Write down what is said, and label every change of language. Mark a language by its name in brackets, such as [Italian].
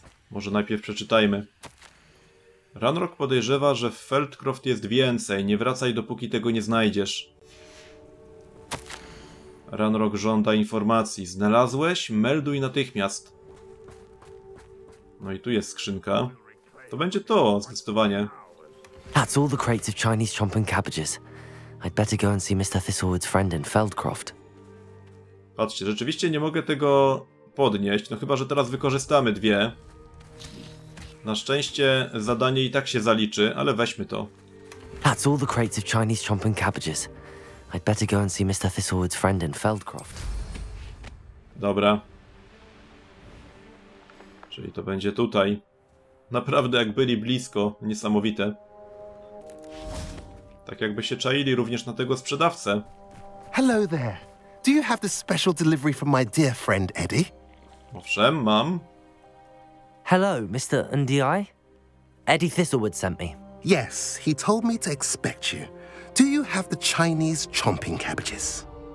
[Polish] Może najpierw przeczytajmy. Ranrock podejrzewa, że w Feldcroft jest więcej. Nie wracaj, dopóki tego nie znajdziesz. Ranrock żąda informacji. Znalazłeś? Melduj natychmiast. No i tu jest skrzynka. To będzie to, zdecydowanie. [English] That's all the crates of Chinese chomping cabbages. I'd better go and see Mr. Thistlewood's friend in Feldcroft. [Polish] Patrzcie, rzeczywiście nie mogę tego podnieść. No chyba, że teraz wykorzystamy dwie. Na szczęście zadanie i tak się zaliczy, ale weźmy to. [English] That's all the crates of Chinese chomping cabbages. I'd better go and see Mr. Thistlewood's friend in Feldcroft. [Polish] Dobra. Czyli to będzie tutaj. Naprawdę jak byli blisko, niesamowite. Tak jakby się czaili również na tego sprzedawcę. [English] Hello there. Do you have the special delivery from my dear friend Eddie? [Polish] Owszem, mam. [English] Hello, Mr. NDI? Eddie Thistlewood sent me. Yes, he told me to expect you. Do you have the Chinese chomping cabbages?